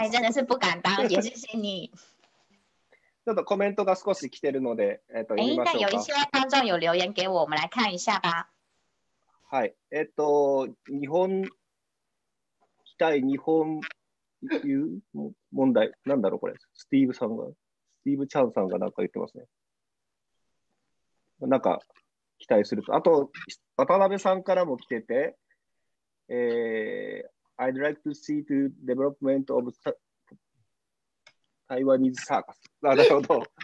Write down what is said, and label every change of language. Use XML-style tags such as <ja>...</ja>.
<zh>はい、真的是不敢当，也是你。</zh> <ja>ちょっとコメントが少し来てるので、読みましょうか。</ja> <zh>有一些观众有留言给我，我们来看一下吧。</zh> <ja>はい、日本期待日本いう問題、なんだろうこれ。スティーブチャンさんがなんか言ってますね。なんか期待すると、あと渡辺さんからも来てて、</ja> <en>I'd like to see the development of Taiwanese circus.</en> <ja>なるほど。</ja>